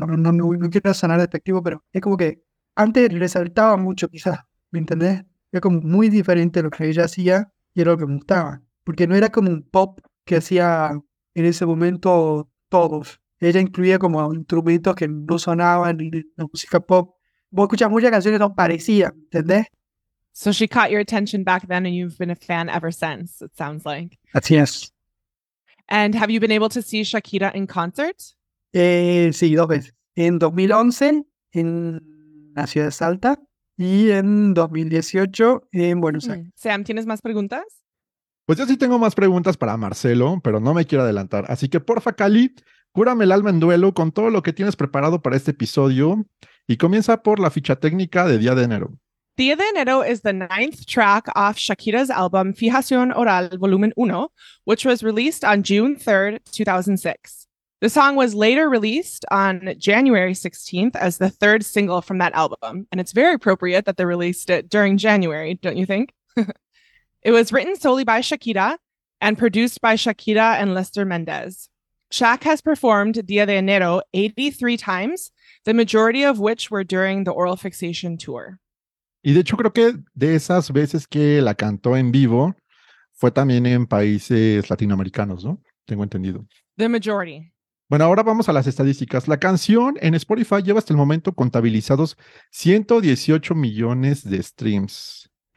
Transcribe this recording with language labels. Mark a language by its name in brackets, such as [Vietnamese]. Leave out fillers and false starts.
[Spanish] No quiero sonar despectivo, pero es como que antes resaltaba mucho quizás, ¿me entendés? Era como muy diferente a lo que ella hacía y era lo que me gustaba. Porque no era como un pop que hacía en ese momento todos. Ella incluía como instrumentos que no sonaban en la música pop. Vos escuchás muchas canciones que son parecidas, ¿entendés? [English] So she caught your attention back then and you've been a fan ever since, it sounds like. [Spanish] Así es. [English] And have you been able to see Shakira in concert? [Spanish] Sí, dos veces. En 2011, en la ciudad de Salta. Y en 2018, en Buenos Aires. Sam, ¿tienes más preguntas? Pues yo sí tengo más preguntas para Marcelo, pero no me quiero adelantar. Así que porfa, Cali, cúrame el alma en duelo con todo lo que tienes preparado para este episodio. Y comienza por la ficha técnica de Día de Enero. [English] Día de Enero is the ninth track off Shakira's album Fijación Oral Volumen 1, which was released on June 3rd, 2006. The song was later released on January 16th as the third single from that album. And it's very appropriate that they released it during January, don't you think? It was written solely by Shakira and produced by Shakira and Lester Mendez. Shak has performed Día de Enero 83 times, the majority of which were during the Oral Fixation tour. [Spanish] Y de hecho creo que de esas veces que la cantó en vivo fue también en países latinoamericanos, ¿no? tengo entendido. [English] The majority. [Spanish] Bueno, ahora vamos a las estadísticas. La canción en Spotify lleva hasta el momento contabilizados 118 millones de streams.